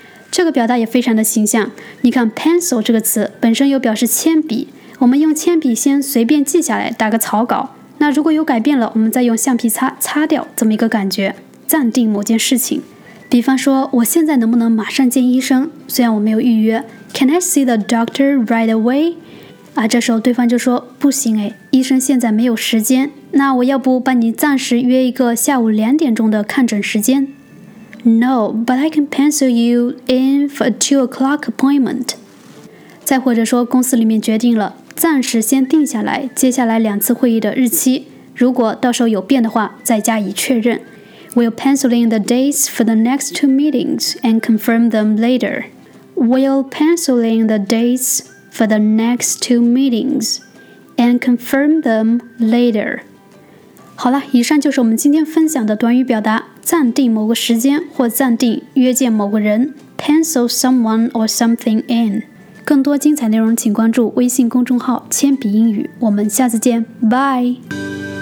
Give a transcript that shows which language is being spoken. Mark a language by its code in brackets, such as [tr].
[zh] 这个表达也非常的形象，你看 pencil 这个词本身有表示铅笔，我们用铅笔先随便记下来打个草稿，那如果有改变了我们再用橡皮擦擦掉，这么一个感觉，暂定某件事情。比方说，我现在能不能马上见医生，虽然我没有预约。 [en] Can I see the doctor right away？ [zh] 啊，这时候对方就说不行，哎，医生现在没有时间，那我要不帮你暂时约一个下午2点的看诊时间。 [en] No, but I can pencil you in for a 2 o'clock appointment。 [zh] 再或者说，公司里面决定了暂时先定下来接下来两次会议的日期，如果到时候有变的话再加以确认。 [en] We'll pencil in the dates for the next 2 meetings and confirm them later。 We'll pencil in the dates for the next 2 meetings and confirm them later。 [zh] 好了，以上就是我们今天分享的短语表达，暂定某个时间或暂定约见某个人， [en] pencil someone or something in。 [zh] 更多精彩内容请关注微信公众号铅笔英语，我们下次见，bye。